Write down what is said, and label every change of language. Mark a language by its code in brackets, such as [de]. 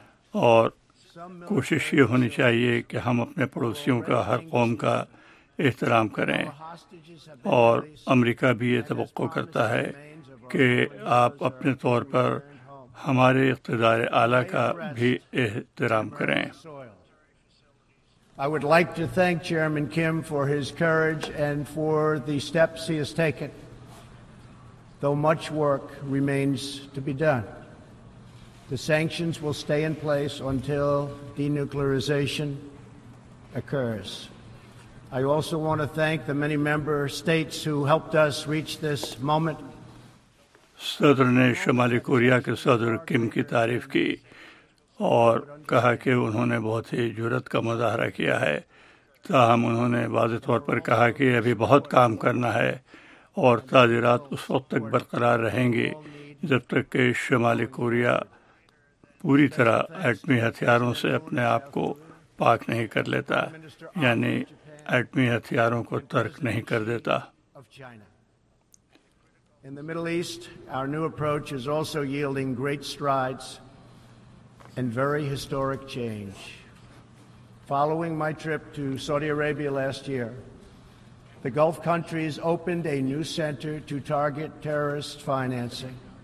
[ur] اور کوشش یہ ہونی چاہیے کہ ہم اپنے پڑوسیوں کا, ہر قوم کا احترام کریں, اور امریکہ بھی یہ توقع کرتا ہے کہ آپ اپنے طور پر ہمارے اقتدار اعلیٰ کا بھی احترام کریں. [en] I would like to thank Chairman Kim for his courage and for the steps he has taken, though much work remains to be done. The sanctions will stay in place until denuclearization occurs. I also want to thank the many member states who helped us reach this moment. [ur] صدر نے شمالی Korea کے صدر کم کی تعریف کی اور کہا کہ انہوں نے بہت ہی جرات کا مظاہرہ کیا ہے. تاہم انہوں نے واضح طور پر کہا کہ ابھی بہت کام کرنا ہے اور تعزیرات اس وقت تک برقرار رہیں گے جب تک کہ شمالی کوریا پوری طرح ایٹمی ہتھیاروں سے اپنے آپ کو پاک نہیں کر لیتا، یعنی ایٹمی ہتھیاروں کو ترک نہیں کر دیتا۔ [en] In the Middle East, our new approach is also yielding great strides and very historic change. Following my trip to Saudi Arabia last year, the Gulf countries opened a new center to target terrorist financing.